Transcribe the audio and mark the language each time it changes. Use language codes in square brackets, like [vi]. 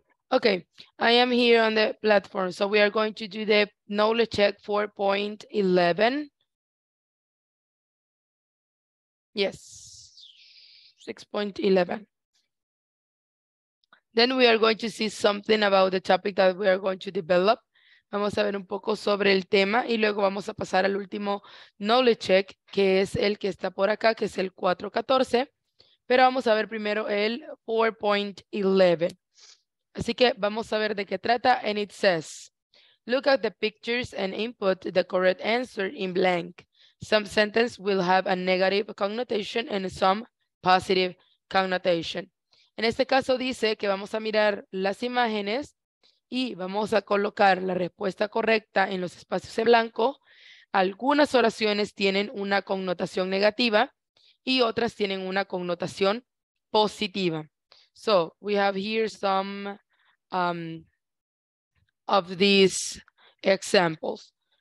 [en] Okay, I am here on the platform. So we are going to do the knowledge check 4.11. Yes, 6.11. Then we are going to see something about the topic that we are going to develop. [es] Vamos a ver un poco sobre el tema y luego vamos a pasar al último knowledge check, que es el que está por acá, que es el 4.14. Pero vamos a ver primero el 4.11. Así que vamos a ver de qué trata, [en] and it says, look at the pictures and input the correct answer in blank. Some sentences will have a negative connotation and some positive connotation. [es] En este caso dice que vamos a mirar las imágenes y vamos a colocar la respuesta correcta en los espacios en blanco. Algunas oraciones tienen una connotación negativa y otras tienen una connotación positiva. [en] So, we have here some of these examples.